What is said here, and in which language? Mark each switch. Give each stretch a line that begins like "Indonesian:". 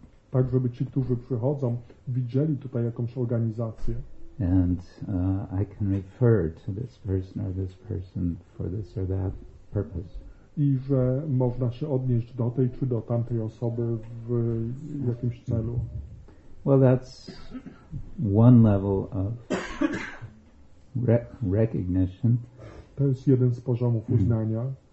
Polish: Tak, żeby ci, którzy przychodzą, widzieli tutaj jakąś organizację.
English: And I can refer to this person for this or that purpose.
Polish: I że można się odnieść do tej czy do tamtej osoby w jakimś celu.
English: Well, that's one level of recognition.
Polish: To jest jeden z poziomów uznania.